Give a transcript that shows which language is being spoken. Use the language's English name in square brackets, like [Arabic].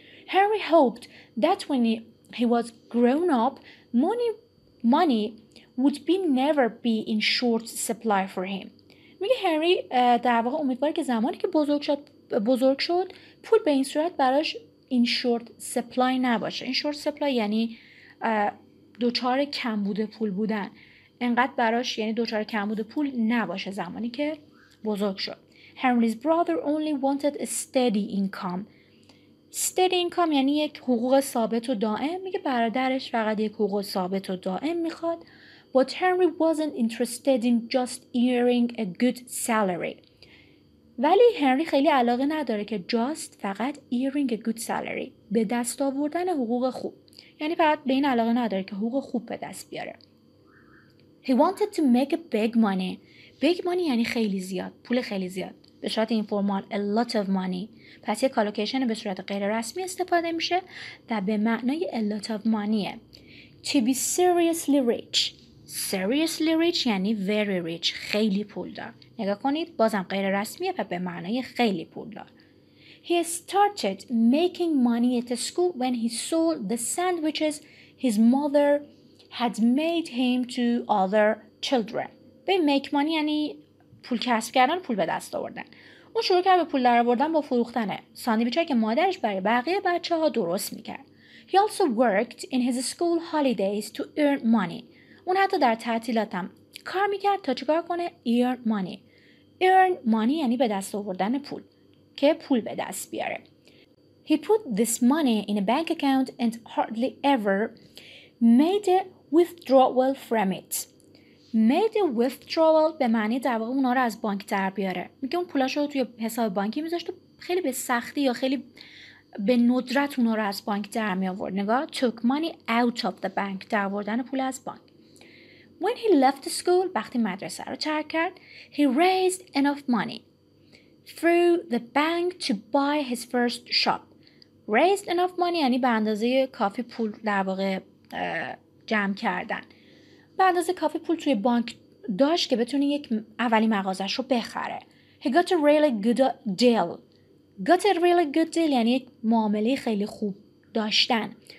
[English] Henry hoped that when he was grown up, money would be never be in short supply for him. [Persian] میگه هنری در واقع امیدواره که زمانی که بزرگ شد پول به این صورت براش in short supply نباشه. In short supply یعنی دوچار کمبود پول بودن. انقدر براش یعنی دوچار کمبود پول نباشه زمانی که بزرگ شد. [English] Henry's brother only wanted a steady income. [Persian] Steady income یعنی یک حقوق ثابت و دائم. میگه برادرش فقط یک حقوق ثابت و دائم میخواد. [English] But Henry wasn't interested in just earning a good salary. [Persian] ولی هنری خیلی علاقه نداره که just فقط [English] earning a good salary. [Persian] به دست آوردن حقوق خوب. یعنی فقط به این علاقه نداره که حقوق خوب به دست بیاره. [English] He wanted to make a big money. [Persian] Big money یعنی خیلی زیاد. پول خیلی زیاد. به صورت informal [English] a lot of money. [Persian] پس یک کالوکیشن به صورت غیر رسمی استفاده میشه و به معنای [English] a lot of money [Persian] ه. [English] To be seriously rich. Seriously rich یعنی very rich. [Persian] خیلی پول دار. نگاه کنید بازم غیر رسمیه و به معنای خیلی پول دار. [English] He started making money at the school when he sold the sandwiches his mother had made him to other children. [Persian] به make money یعنی پول کسب کردن و پول به دست آوردن. اون شروع کرد به پول در آوردن با فروختن ساندویچ‌هایی که مادرش برای بقیه بچه‌ها درست می‌کرد. [English] He also worked in his school holidays to earn money. [Persian] اون حتی در تعطیلات هم کار می‌کرد تا چیکار کنه؟ Earn money. Earn money یعنی به دست آوردن پول که پول به دست بیاره. He [English] He put this money in a bank account and hardly ever made a withdrawal from it. [Persian] Made a withdrawal به معنی در واقع اونا رو از بانک در بیاره. میگه اون پولاش رو توی حساب بانکی میذاشت و خیلی به سختی یا خیلی به ندرت اونا رو از بانک در میآورد. نگاه [English] took money out of the bank. [Persian] در آوردن پول از بانک. [English] When he left the school, [Persian] وقتی مدرسه رو ترک کرد, [English] he raised enough money through the bank to buy his first shop. [Persian] Raised enough money یعنی به اندازه کافی پول در واقع جمع کردن. به اندازه کافی پول توی بانک داشت که بتونه یک اولی مغازش رو بخره. [English] He got a really good deal. [Persian] Got a really good deal یعنی یک معامله خیلی خوب داشتن.